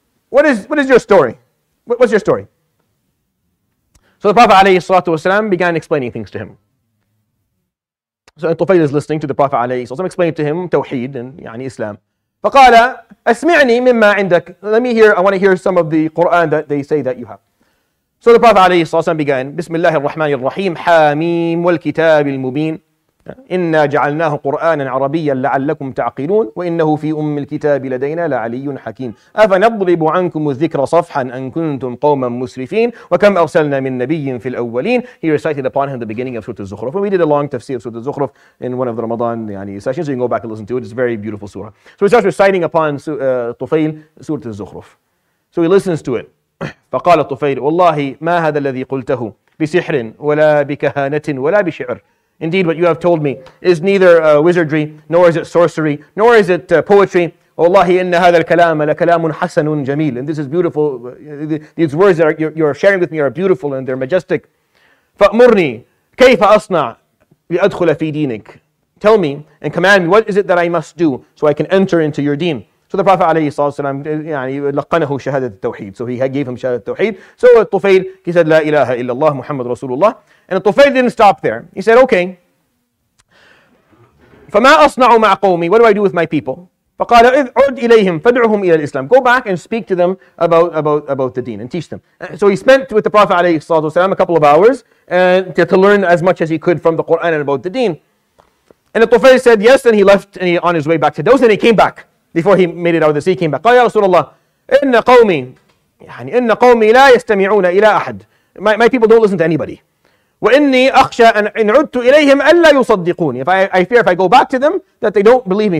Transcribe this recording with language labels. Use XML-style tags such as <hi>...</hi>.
<en>What is your story? What's your story? So the Prophet alayhi salatu wasalam began explaining things to him. So Tufayl is listening to the Prophet alayhi salatu wasalam explaining to him Tawheed and Islam.</en> <ar>فَقَالَ أَسْمِعْنِي مِمَّا عِنْدَكَ.</ar> <en>Let me hear, I want to hear some of the Quran that they say that you have. So the Prophet alayhi salatu wasalam began, Bismillahir Rahmanir Rahim,</en> <ar>حَامِيم وَالْكِتَابِ الْمُبِينِ إِنَّا جَعَلْنَاهُ قُرْآنًا عَرَبِيًّا لَعَلَّكُمْ تَعْقِلُونَ وَإِنَّهُ فِي أُمِّ الْكِتَابِ لَدَيْنَا لَعَلِيٌّ حَكِيمٌ أَفَنَضْرِبُ عَنْكُمُ الذِّكْرَ صَفْحًا أَن كُنْتُمْ قَوْمًا مُسْرِفِينَ وَكَمْ أَرْسَلْنَا مِن نَّبِيٍّ فِي الْأَوَّلِينَ.</ar> <en>He recited upon him the beginning of Surah Az-Zukhruf. We did a long tafsir of Surah Az-Zukhruf in one of the Ramadan sessions. You can go back and listen to it. It's a very beautiful surah. So he starts reciting upon Tufayl Surah Az-Zukhruf. So he listens to it.</en> <ar>فقال طفيل والله ما هذا الذي قلته بسحر ولا بكهانة ولا بشعر.</ar> <en>Indeed, what you have told me is neither wizardry, nor is it sorcery, nor is it poetry.</en> <ar>والله إن هذا الكلام لكلام حسن جميل.</ar> <en>And this is beautiful. These words that you're sharing with me are beautiful and they're majestic.</en> <ar>فأمرني كيف أصنع لأدخل في دينك.</ar> <en>Tell me and command me, what is it that I must do so I can enter into your deen? So the Prophet</en> <ar>عليه الصلاة والسلام لقنه شهادة التوحيد.</ar> <en>So he gave him شهادة التوحيد. So Tufayl, he said</en> <ar>لا إله إلا الله محمد رسول الله.</ar> <en>And Tufayl didn't stop there. He said, okay,</en> <ar>فما أصنع مع قومي.</ar> <en>What do I do with my people?</en> <ar>فقال إذ عد إليهم فدعهم إلى الإسلام.</ar> <en>Go back and speak to them about the deen and teach them. So he spent with the Prophet</en> <ar>عليه الصلاة والسلام</ar> <en>a couple of hours to learn as much as he could from the Quran and about the deen. And Tufayl said yes, and he left and on his way back to Dawsa, and he came back. Before he made it out of the sea, he came back.</en> <ar>قال يا رسول الله إن قومي إن قومي لا يستمعون إلى أحد.</ar> <en>My people don't listen to anybody.</en> <ar>وإني أخشى أن إن عدت إليهم ألا يصدقوني.</ar> <en>If I fear if I go back to them that they don't believe me.</en>